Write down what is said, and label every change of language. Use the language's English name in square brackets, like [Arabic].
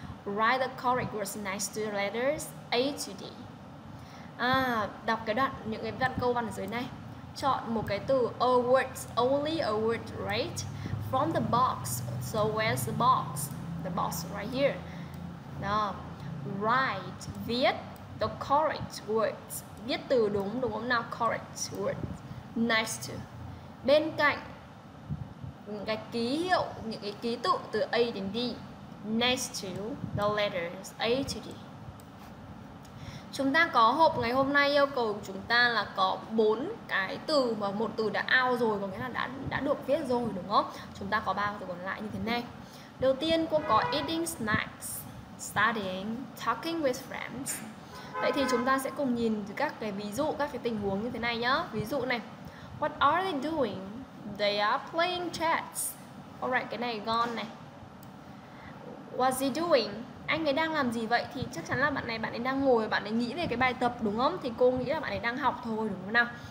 [English] Write the correct words next to the letters A to D. [Vietnamese] Đọc cái đoạn, những cái đoạn câu văn ở dưới này. Chọn một cái từ [English] a word, only a word, right? From the box. So where's the box? The box right here. Đó. Write, viết the correct words. [Vietnamese] Viết từ đúng, đúng không nào? [English] Correct words. Next to. [Vietnamese] Bên cạnh những cái ký hiệu, những cái ký tự từ A đến D. [English] Next to the letters A to D. [Vietnamese] Chúng ta có hộp ngày hôm nay yêu cầu chúng ta là có 4 cái từ mà một từ đã out rồi, có nghĩa là đã được viết rồi, đúng không? Chúng ta có 3 từ còn lại như thế này. Đầu tiên cô có [English] eating snacks, studying, talking with friends. [Vietnamese] Vậy thì chúng ta sẽ cùng nhìn các cái ví dụ, các cái tình huống như thế này nhá. Ví dụ này. [English] What are they doing? They are playing chess. Alright, [Vietnamese] cái này gone này. [English] What's he doing? [Vietnamese] Anh ấy đang làm gì vậy? Thì chắc chắn là bạn ấy đang ngồi, bạn ấy nghĩ về cái bài tập, đúng không? Thì cô nghĩ là bạn ấy đang học thôi, đúng không nào?